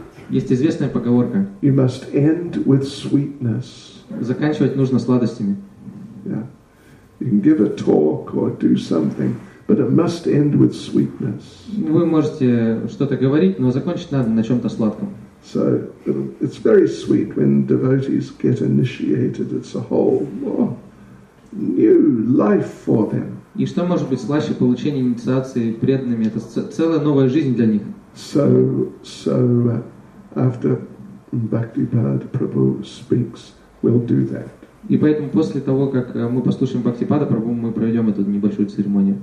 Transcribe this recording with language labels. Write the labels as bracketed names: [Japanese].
[Russian] Есть известная поговорка. [English] You must end with sweetness. [Russian] Заканчивать нужно сладостями. [English] Yeah. You can give a talk or do something, but it must end with sweetness. [Russian] Вы можете что-то говорить, но закончить надо на чем-то сладком. [English] So it's very sweet when devotees get initiated. It's a whole new life for them. [Russian] И что может быть слаще получения инициации преданными? Это целая новая жизнь для них. [English] So after Bhaktipada Prabhu speaks, we'll do that. [Russian] И поэтому после того, как мы послушаем Бхактипада Прабху, мы проведем эту небольшую церемонию.